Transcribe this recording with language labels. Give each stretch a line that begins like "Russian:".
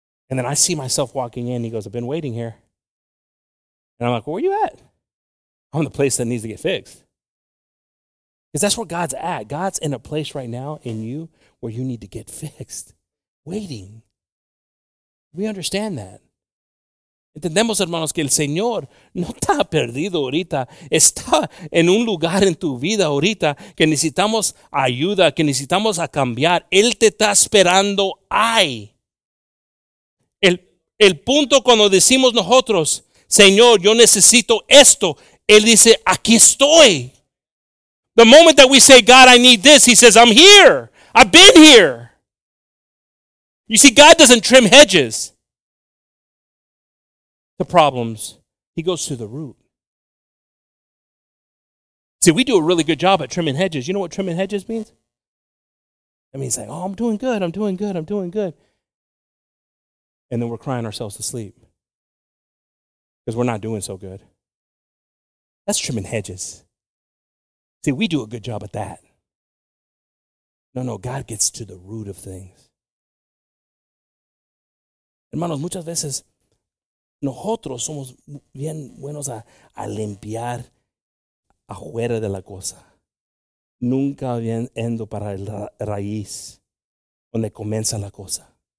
English: And then I see myself walking in. He goes, I've been waiting here. And I'm like, where are you at? I'm in the place that needs to get fixed. Because that's where God's at. God's in a place right now in you where you need to get fixed. Waiting. We understand that.
Spanish: Entendemos, hermanos, que el Señor no está perdido ahorita. Está en un lugar en tu vida ahorita que necesitamos ayuda, que necesitamos a cambiar. Él te está esperando ahí. El punto cuando decimos nosotros, Señor, yo necesito esto, Él dice, aquí estoy.
English: The moment that we say, God, I need this, He says, I'm here. I've been here. You see, God doesn't trim hedges. The problems, He goes to the root. See, we do a really good job at trimming hedges. You know what trimming hedges means? That means like, oh, I'm doing good, I'm doing good, I'm doing good. And then we're crying ourselves to sleep because we're not doing so good. That's trimming hedges. See, we do a good job at that. No, no, God gets to the root of things.
Spanish: Hermanos, muchas veces nosotros somos bien buenos a limpiar afuera de la cosa. Nunca yendo para el raíz donde comienza la cosa.